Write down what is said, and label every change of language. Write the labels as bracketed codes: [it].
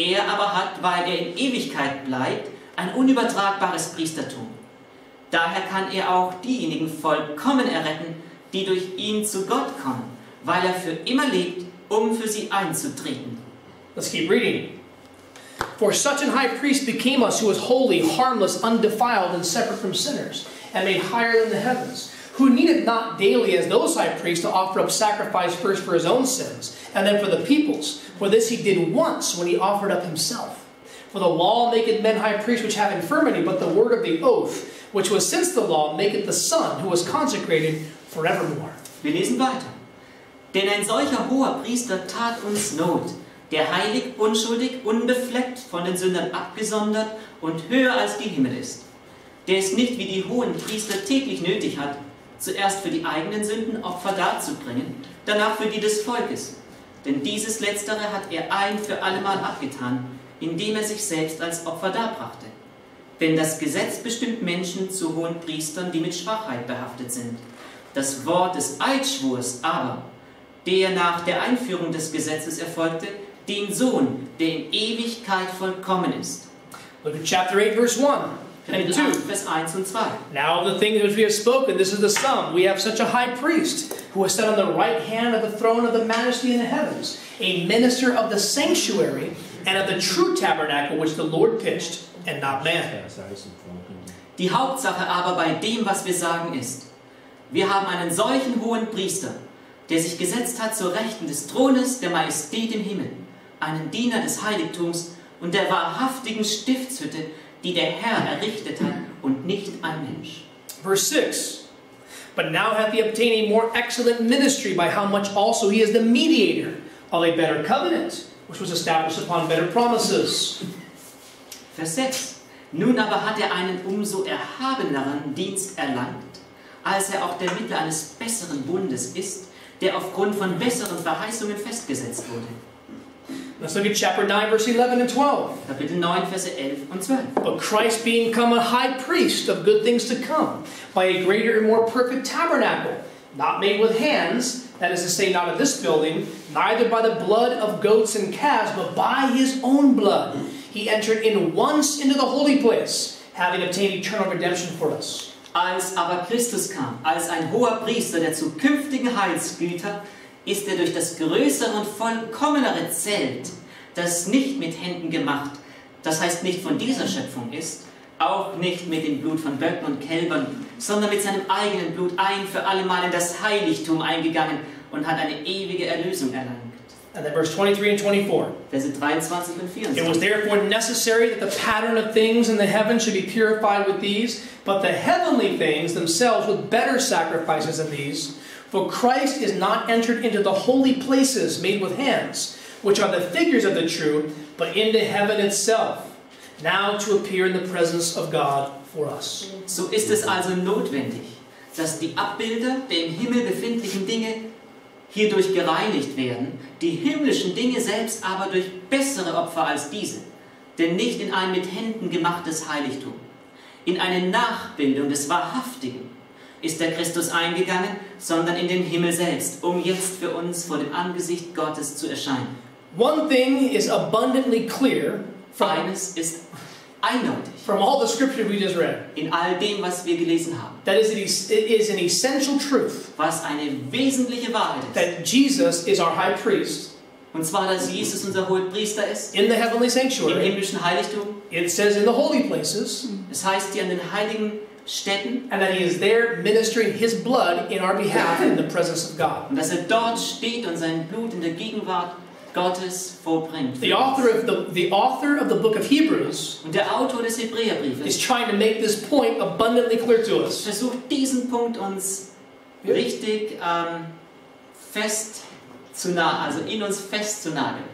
[de] Aber hat, weil in Ewigkeit bleibt, ein unübertragbares Priestertum. Daher kann auch diejenigen vollkommen erretten, die durch ihn zu Gott kommen, weil für immer lebt, für sie einzutreten. [en] Let's keep reading. For such an high priest became us, who was holy, harmless, undefiled, and separate from sinners, and made higher than the heavens, who needed not daily as those high priests to offer up sacrifice first for his own sins, and then for the people's. For this he did once when he offered up himself. For the law maketh men high priests which have infirmity, but the word of the oath, which was since the law, maketh the Son, who was consecrated forevermore. [de] Wir lesen weiter. Denn solcher hoher Priester tat uns Not, der heilig, unschuldig, unbefleckt, von den Sündern abgesondert und höher als die Himmel ist. Der es nicht wie die hohen Priester täglich nötig hat, zuerst für die eigenen Sünden Opfer darzubringen, danach für die des Volkes. Denn dieses Letztere hat er ein für allemal abgetan, indem er sich selbst als Opfer darbrachte. Denn das Gesetz bestimmt Menschen zu hohen Priestern, die mit Schwachheit behaftet sind. Das Wort des Eidschwurs aber, der nach der Einführung des Gesetzes erfolgte, den Sohn, der in Ewigkeit vollkommen ist. [en] Look at chapter 8, verse 1. And 2. Now the things which we have spoken, this is the sum. We have such a high priest who has sat on the right hand of the throne of the majesty in the heavens, a minister of the sanctuary and of the true tabernacle which the Lord pitched and not man. [de] Die Hauptsache aber bei dem, was wir sagen, ist, wir haben einen solchen hohen Priester, der sich gesetzt hat zur Rechten des Thrones der Majestät im Himmel, einen Diener des Heiligtums und der wahrhaftigen Stiftshütte, die der Herr errichtet hat und nicht ein Mensch. [en] Verse 6. But now hath he obtained a more excellent ministry, by how much also he is the mediator of a better covenant, which was established upon better promises. [de] Vers 6. Nun aber hat er einen umso erhabeneren Dienst erlangt, als er auch der Mittler eines besseren Bundes ist, der aufgrund von besseren Verheißungen festgesetzt wurde. [en] Let's look at chapter 9, verse 11 and 12. [de] Kapitel 9, Verse 11 und 12. [en] But Christ being come a high priest of good things to come, by a greater and more perfect tabernacle, not made with hands, that is to say, not of this building, neither by the blood of goats and calves, but by his own blood, he entered in once into the holy place, having obtained eternal redemption for us. [de] Als aber Christus kam, als ein hoher Priester der zukünftigen Heilsgüter, ist er durch das größere und vollkommenere Zelt, das nicht mit Händen gemacht, das heißt nicht von dieser Schöpfung ist, auch nicht mit dem Blut von Böcken und Kälbern, sondern mit seinem eigenen Blut ein für allemal in das Heiligtum eingegangen und hat eine ewige Erlösung erlangt. [en] And then verse 23 and 24. [de] Verse 23 und 24. [en] It was therefore necessary that the pattern of things in the heavens should be purified with these, but the heavenly things themselves with better sacrifices than these. For Christ is not entered into the holy places made with hands, which are the figures of the true, but into heaven itself, now to appear in the presence of God for us. [de] So ist es also notwendig, dass die Abbilder der im Himmel befindlichen Dinge hierdurch gereinigt werden, die himmlischen Dinge selbst aber durch bessere Opfer als diese, denn nicht in ein mit Händen gemachtes Heiligtum, in eine Nachbildung des Wahrhaftigen, ist der Christus eingegangen, sondern in den Himmel selbst, um jetzt für uns vor dem Angesicht Gottes zu erscheinen. [en] One thing is abundantly clear from, [de] eines ist eindeutig, [en] from all the scripture we just read, [de] in all dem, was wir gelesen haben. [en] That is an essential truth, [de] was eine wesentliche Wahrheit ist. [en] That Jesus is our high priest, [de] und zwar, dass Jesus unser hoher Priester ist, [en] in the heavenly sanctuary, [de] im himmlischen Heiligtum. [en] It says in the holy places, [de] es heißt hier an den heiligen Städten, [en] and that he is there ministering his blood in our behalf in the presence of God. [de] Und dass er dort steht und sein Blut in der Gegenwart Gottes vollbringt. [en] The author of the book of Hebrews, [de] und der Autor des Hebräerbriefes, [en] is trying to make this point abundantly clear to us. [de] Versucht diesen Punkt uns richtig fest zu nah, also in uns fest zu nageln.